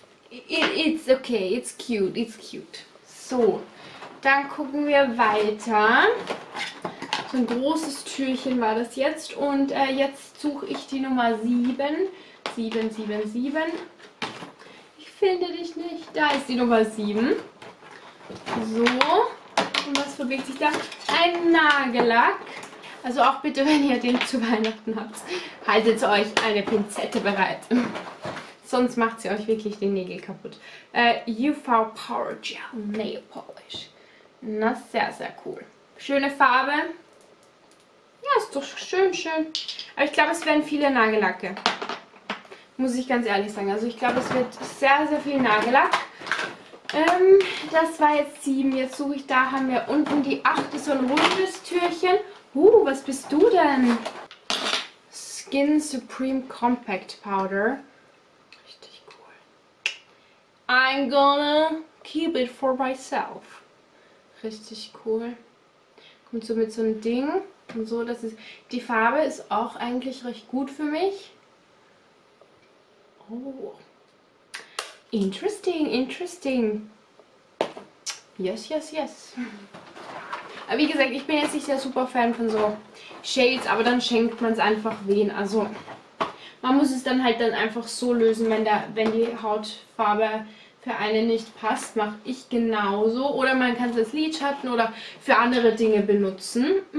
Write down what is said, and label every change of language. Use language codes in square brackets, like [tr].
[en] It's okay, it's cute, it's cute. [de] So, dann gucken wir weiter. So ein großes Türchen war das jetzt. Und jetzt suche ich die Nummer 7. 7, 7, 7. Ich finde dich nicht. Da ist die Nummer 7. So, und was verbirgt sich da? Ein Nagellack. Also auch bitte, wenn ihr den zu Weihnachten habt, haltet euch eine Pinzette bereit. Sonst macht sie euch wirklich den Nägel kaputt. [en] UV Power Gel Nail Polish. [de] Na, sehr, sehr cool. Schöne Farbe. Ja, ist doch schön, schön. Aber ich glaube, es werden viele Nagellacke. Muss ich ganz ehrlich sagen. Also ich glaube, es wird sehr, sehr viel Nagellack. Das war jetzt 7. Jetzt suche ich, da haben wir unten die 8. So ein rundes Türchen. Was bist du denn? Skin Supreme Compact Powder. Richtig cool. [en] I'm gonna keep it for myself. [de] Richtig cool. Kommt so mit so einem Ding. Und so, das ist. Die Farbe ist auch eigentlich recht gut für mich. Oh. [en] Interesting, interesting. Yes, yes, yes. [de] Wie gesagt, ich bin jetzt nicht der Superfan von so Shades, aber dann schenkt man es einfach wen. Also man muss es dann halt dann einfach so lösen, wenn die Hautfarbe für einen nicht passt, mache ich genauso. Oder man kann es als Lidschatten oder für andere Dinge benutzen.